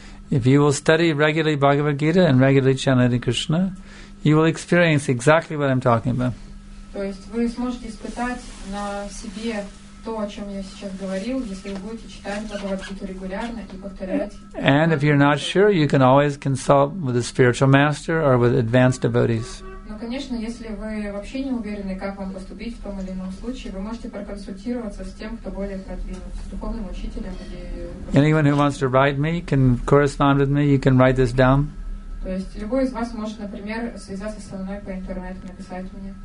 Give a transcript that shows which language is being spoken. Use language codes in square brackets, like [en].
[en] If you will study regularly Bhagavad Gita and regularly chant Hare Krishna, you will experience exactly what I'm talking about. [ru] То есть вы сможете испытать на себе то, о чем я сейчас говорил, если вы будете читать Бхагавад Гиту регулярно и повторять. [en] And if you're not sure, you can always consult with a spiritual master or with advanced devotees. [ru] Но, конечно, если вы вообще не уверены, как вам поступить в том или ином случае, вы можете проконсультироваться с тем, кто более продвинут, с духовным учителем или... [en] Anyone who wants to write me can correspond with me. You can write this down. [ru] То есть любой из вас может, например, связаться со мной по интернету, написать мне.